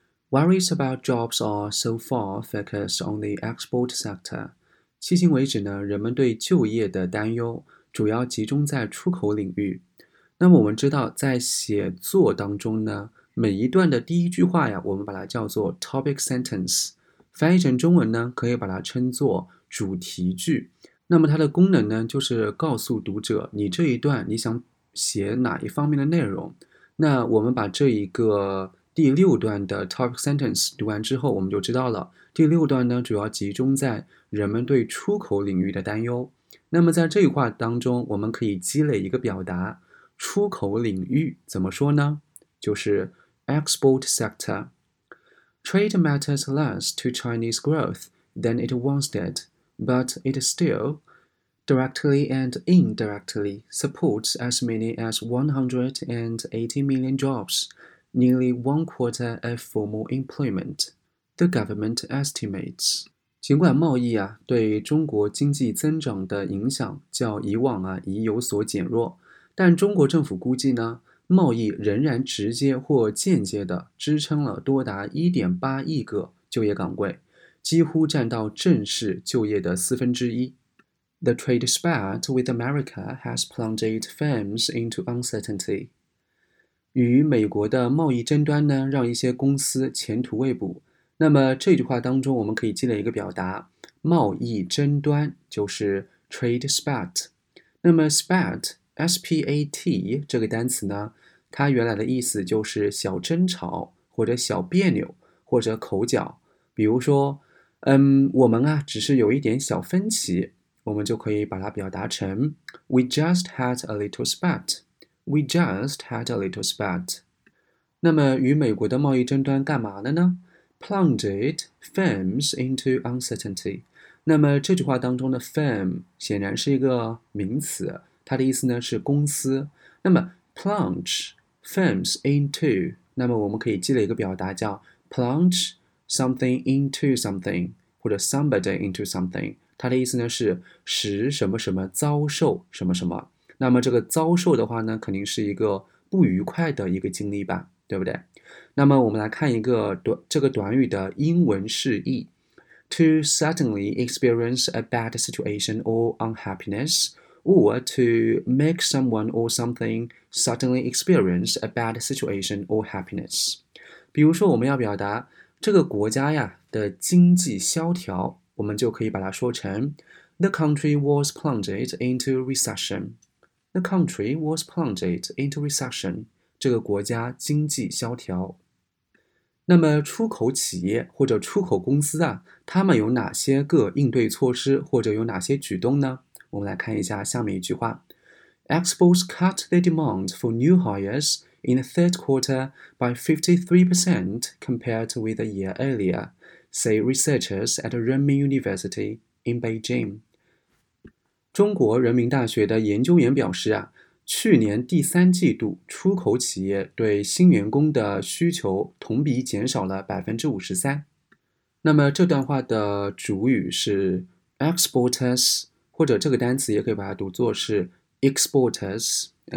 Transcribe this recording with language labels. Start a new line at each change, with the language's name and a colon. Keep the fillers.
English: Worries about jobs are so far focused on the export sector。
Chinese: 迄今为止呢，人们对就业的担忧主要集中在出口领域。那么我们知道，在写作当中呢，每一段的第一句话呀，我们把它叫做 topic sentence。翻译成中文呢，可以把它称作主题句。那么它的功能呢，就是告诉读者你这一段你想写哪一方面的内容。那我们把这一个。第六段的 topic sentence 读完之后，我们就知道了第六段呢主要集中在人们对出口领域的担忧。那么在这一话当中，我们可以积累一个表达：出口领域怎么说呢？
English: 就是 export sector。 Trade matters less to Chinese growth than it once did, but it still directly and indirectly supports as many as 180 million jobs. Nearly one quarter of formal employment, the government estimates.
Chinese: 尽管贸易啊对中国经济增长的影响较以往啊已有所减弱，但中国政府估计呢，贸易仍然直接或间接的支撑了多达1.8亿个就业岗位，几乎占到正式就业的四分之一。
English: The trade spat with America has plunged firms into uncertainty.
Chinese: 与美国的贸易争端呢，让一些公司前途未卜。那么这句话当中，我们可以积累一个表达：贸易争端就是 trade spat。那么 spat s p a t 这个单词呢，它原来的意思就是小争吵或者小别扭或者口角。比如说，嗯，我们啊只是有一点小分歧，我们就可以把它表达成 We just had a little spat。
English: We just had a little spat。
Chinese: 那么与美国的贸易争端干嘛了呢？ Plunged firms into uncertainty。那么这句话当中的 firm 显然是一个名词，它的意思呢是公司。那么 plunge firms into，那么我们可以积累一个表达叫 plunge something into something 或者 somebody into something，它的意思呢是使什么什么遭受什么什么。那么这个遭受的话呢，肯定是一个不愉快的一个经历吧，对不对？
English: 那么我们来看一个短这个短语的英文释义： to suddenly experience a bad situation or unhappiness，or to make someone or something suddenly experience a bad situation or happiness。
Chinese: 比如说，我们要表达这个国家呀的经济萧条，我们就可以把它说成： the country was plunged into recession。
English: The country was plunged into recession.
Chinese: 这个国家经济萧条。那么，出口企业或者出口公司啊，他们有哪些个应对措施或者有哪些举动呢？
English: 我们来看一下下面一句话： Exports cut the demand for new hires in the third quarter by fifty-three p 53% compared with a year earlier, say researchers at Renmin University in Beijing.
Chinese: 中国人民大学的研究员表示啊，去年第三季度出口企业对新员工的需求同比减少了百分之五十三。那么这段话的主语是 exporters，或者这个单词也可以把它读作是 exporters、okay。